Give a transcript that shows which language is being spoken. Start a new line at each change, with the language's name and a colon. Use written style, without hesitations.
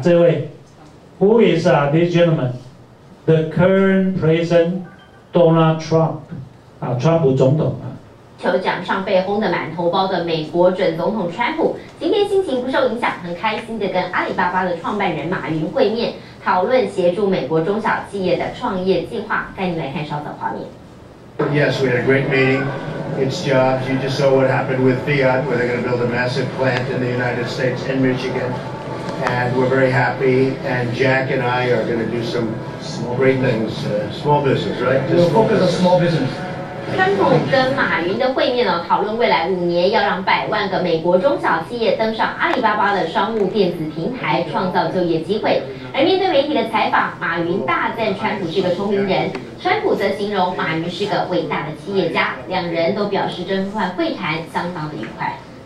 Chinese: 这位
English: ，Who is this gentleman? The current president Donald Trump
Chinese: 啊，川普总统啊。酋长上被轰得满头包的美国准总统川普，今天心情不受影响，很开心的跟阿里巴巴的创办人马云会面。讨论协助美国中小企业的创业计划，带你来看稍早画面。
English: Yes, we had a great meeting. It's jobs. You just saw what happened with Fiat, where they're going to build a massive plant in the United States in Michigan, and we're very happy. And Jack and I are going to do some great things. Small business, right? We'll focus on small business.
Chinese: 川普跟马云的会面呢，讨论未来五年要让百万个美国中小企业登上阿里巴巴的商务电子平台，创造就业机会。而面对媒体的采访，马云大赞川普是个聪明人，川普则形容马云是个伟大的企业家，两人都表示这番会谈相当的愉快。